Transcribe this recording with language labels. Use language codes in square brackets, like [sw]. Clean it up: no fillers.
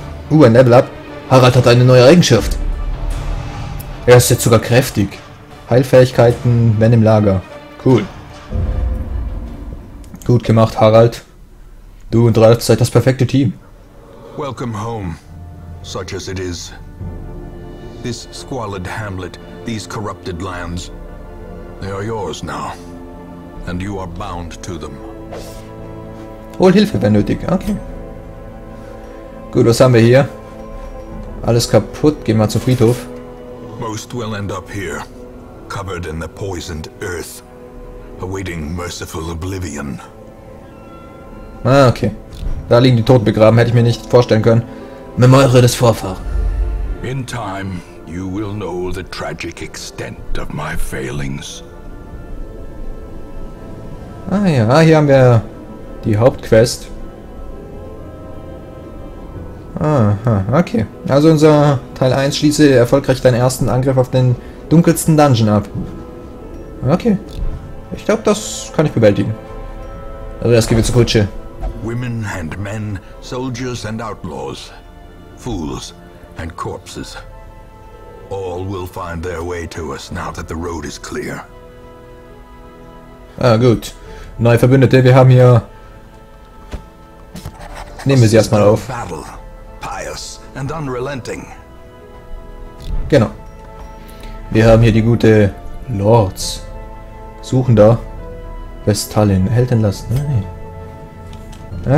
[de] Ein Level Up. Harald hat eine neue Eigenschaft. Er ist jetzt sogar kräftig. Heilfähigkeiten, wenn im Lager. Cool. Gut gemacht, Harald. Du und Ralf seid das perfekte Team. [en] Welcome home, such as it is. This squalid hamlet, these corrupted lands, they are yours now, and you are bound to them. [de] Hol Hilfe, wenn nötig. Okay. Gut, was haben wir hier? Alles kaputt. Gehen wir zum Friedhof. [en] Most will end up here, covered in the poisoned earth, awaiting merciful oblivion. Ah, okay. [de] Da liegen die Toten begraben, hätte ich mir nicht vorstellen können. Memoire des Vorfahren. [en] In time, You will know the tragic extent of my failings. [de] Ah ja, hier haben wir die Hauptquest. Aha, okay. Also unser Teil 1 schließe erfolgreich deinen ersten Angriff auf den dunkelsten Dungeon ab. Okay. Ich glaube, das kann ich bewältigen. Also erst gehen wir zur Kutsche. [en] Women and men, soldiers and outlaws, fools and corpses. All will find their way to us now that the road is clear. [de] Ah, gut. Neue Verbündete, wir haben hier. Nehmen wir sie erstmal auf. [en] Pious and unrelenting. [de] Genau. Wir haben hier die gute Lords. Suchender. Vestalin. Helden lassen. Nein.